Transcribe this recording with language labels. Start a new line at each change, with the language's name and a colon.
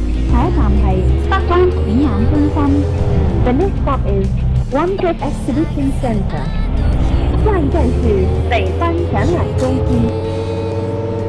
Chinese: 下一站是北关展览中心。
English: The next stop is Wangit Exhibition Center.
Chinese: 下一站是北关展览中心。